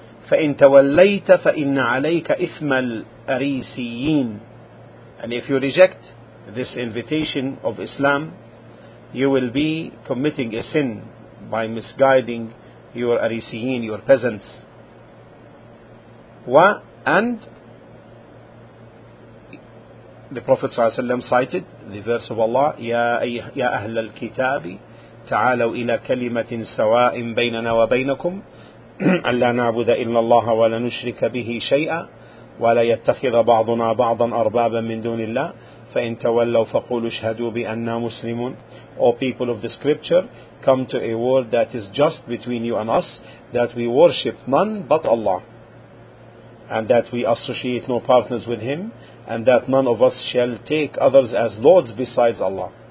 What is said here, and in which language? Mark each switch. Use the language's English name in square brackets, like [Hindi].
[Arabic] فَإِنْ تَوَلَّيْتَ فَإِنَّ عَلَيْكَ إِثْمَ الْأَرِيسِيِّينَ. [English] And if you reject this invitation of Islam, you will be committing a sin by misguiding your Arisiyin, your peasants. And the Prophet ﷺ cited the verse of Allah, [Arabic] يَا أَهْلَ الْكِتَابِ تَعَالَوْا إِلَى كَلِمَةٍ سَوَاءٍ بَيْنَنَا وَبَيْنَكُمْ أن لا نعبد إلا الله ولا نشرك به شيئا ولا يتخذ بعضنا بعضا أربابا من دون الله فإن تولوا فقولوا اشهدوا بأننا مسلمون. [English] O people of the scripture, come to a word that is just between you and us, that we worship none but Allah, and that we associate no partners with Him, and that none of us shall take others as lords besides Allah.